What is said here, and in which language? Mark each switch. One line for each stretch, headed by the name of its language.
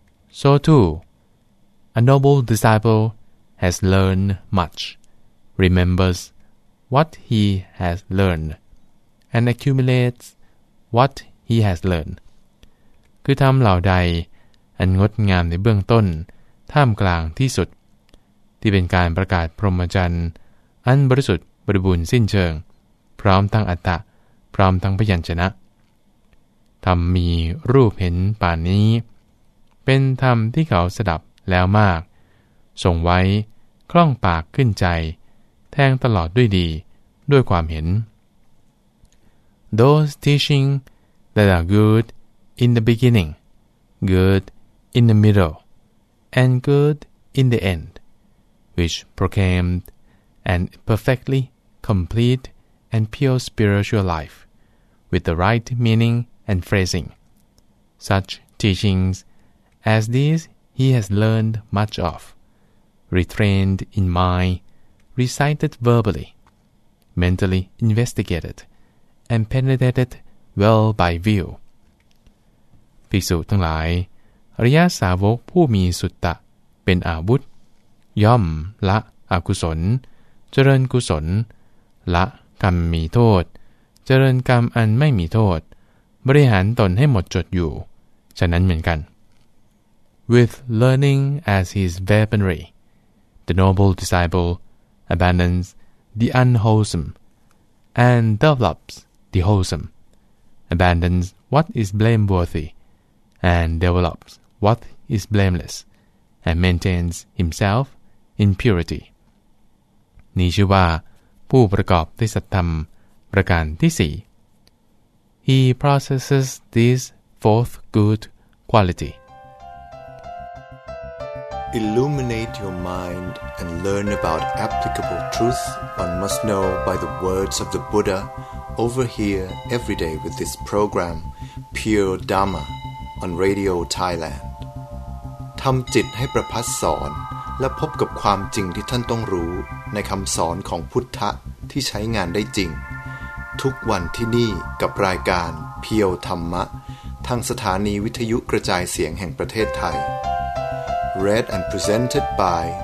English: So too, a noble disciple has learned much, remembers what he has learned, and accumulates what he has learned.
Thai: คือทำเหล่าใดอันงดงามในเบื้องต้นท่ามกลางที่สุดที่เป็นการประกาศพรหมจรรย์อันบริสุทธิ์บริบูรณ์สิ้นเชิงพร้อมทั้งอัตตะพร้อมทั้งพยัญชนะธรรมมีรูปเห็นป่านนี้เป็นธรรมที่เขาสดับแล้วมากส่งไว้คล่องปากขึ้นใจแทงตลอดด้วยดีด้วยความเห็น
English: Those teaching that are good in the beginning, good in the middle, and good in the end, which proclaimed an perfectly complete and pure spiritual life, with the right meaning and phrasing. Such teachings as these he has learned much of, retrained in mind, recited verbally, mentally investigated, and penetrated well by view.
Thai: ภิกษุทั้งหลายอริยสาวกผู้มีสุตตะเป็นอาวุธย่อมละอกุศลเจริญกุศลละกรรมมีโทษเจริญกรรมอันไม่มีโทษบริหารตนให้หมดจดอยู่ฉะนั้นเหมือนกัน
English: With learning as his weaponry, the noble disciple abandons the unwholesome and develops the wholesome, abandons what is blameworthy and develops what is blameless, and maintains himself in purity.
Thai: นี่ชื่อว่าผู้ประกอบด้วยสัทธรรมประการที่4
English: He possesses this fourth good quality. Illuminate your mind and learn about applicable truth one must know by the words of the Buddha over here every day with this program Pure Dharma on Radio Thailand.
Thai: ทำจิตให้ประพัสสอนและพบกับความจริงที่ท่านต้องรู้ในคำสอนของพุทธะที่ใช้งานได้จริงทุกวันที่นี่กับรายการเพียวธรรมะทางสถานีวิทยุกระจายเสียงแห่งประเทศไทย
English: Read and presented by